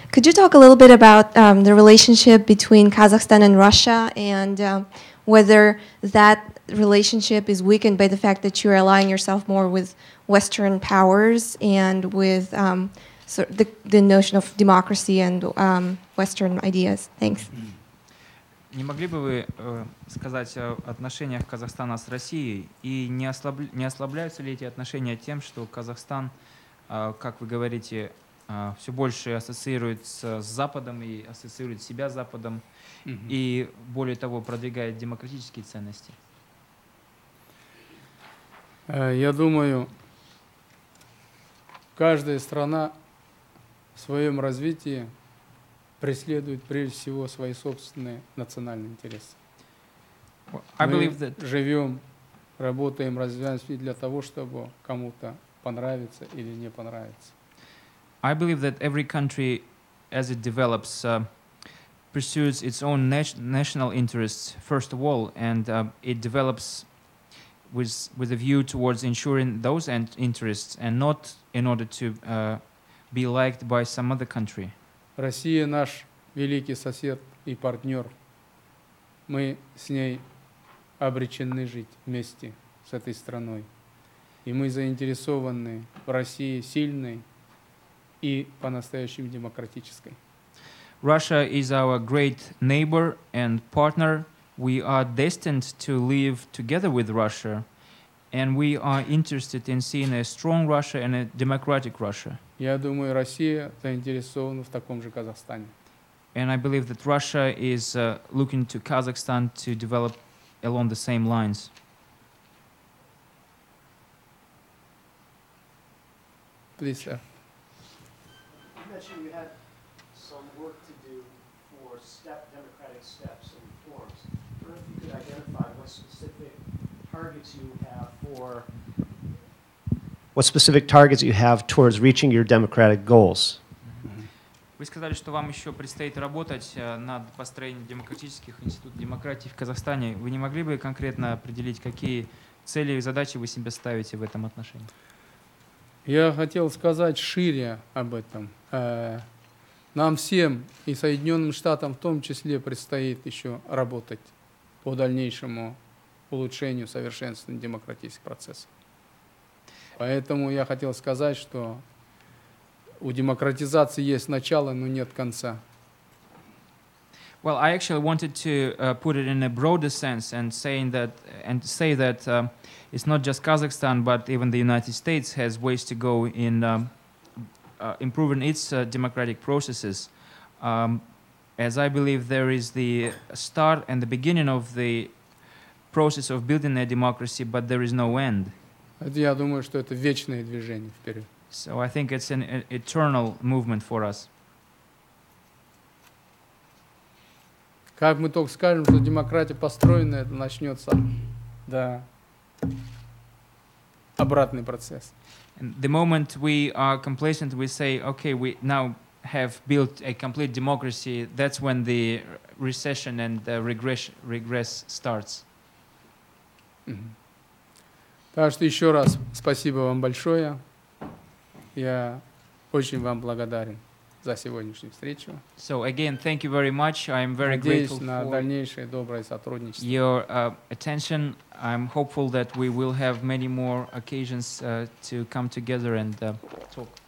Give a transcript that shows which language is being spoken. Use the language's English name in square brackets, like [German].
[English] Could you talk a little bit about the relationship between Kazakhstan and Russia, and whether that relationship is weakened by the fact that you're aligning yourself more with Western powers and with the notion of democracy and Western ideas? Thanks. [Russian] Не могли бы вы сказать о отношениях Казахстана с Россией, и не ослабляются ли эти отношения тем, что Казахстан, как вы говорите, все больше ассоциируется с Западом и ассоциирует себя с Западом, и более того, продвигает демократические ценности? Я думаю, каждая страна в своем развитии преследует прежде всего свои собственные национальные интересы. [English] Well, that... [Russian] Мы живем, работаем, развиваемся для того, чтобы кому-то понравится или не понравится. [English] I believe that every country, as it develops, pursues its own national interests first of all, and it develops with a view towards ensuring those interests and not in order to be liked by some other country. [Russian] Россия — наш великий сосед и партнер. Мы с ней обречены жить вместе с этой страной. И мы заинтересованы в России сильной и по-настоящему демократической. [English] Russia is our great neighbor and partner. We are destined to live together with Russia, and we are interested in seeing a strong Russia and a democratic Russia. [Russian] Я думаю, Россия заинтересована в таком же Казахстане. [English] And I believe that Russia is looking to Kazakhstan to develop along the same lines. Please, sir. You mentioned you had some work to do for democratic steps and reforms. I wonder if you could identify what specific targets you have for... What specific targets you have towards reaching your democratic goals? [Russian] Вы сказали, что вам еще предстоит работать над построением демократических институтов демократии в Казахстане. Вы не могли бы конкретно определить, какие цели и задачи вы себе ставите в этом отношении? Я хотел сказать шире об этом. Нам всем, и Соединенным Штатам в том числе, предстоит еще работать по дальнейшему улучшению, совершенствованию демократических процессов. Поэтому я хотел сказать, что у демократизации есть начало, но нет конца. [English] Well, I actually wanted to put it in a broader sense and saying that and say that it's not just Kazakhstan, but even the United States has ways to go in improving its democratic processes. As I believe, there is the start and the beginning of the process of building a democracy, but there is no end. [Russian] Я думаю, что это вечное движение вперед. [English] So I think it's an eternal movement for us. [Russian] Как мы только скажем, что демократия построена, это начнется, да, обратный процесс. [English] And the moment we are complacent, we say, okay, we now have built a complete democracy, that's when the recession and the regress starts. Mm-hmm. [Russian] Так что еще раз спасибо вам большое. Я очень вам благодарен за сегодняшнюю встречу. [English] So again, thank you very much. I'm very [Russian] Надеюсь [English] grateful [Russian] на дальнейшее доброе сотрудничество. [English] For your attention. I'm hopeful that we will have many more occasions to come together and talk.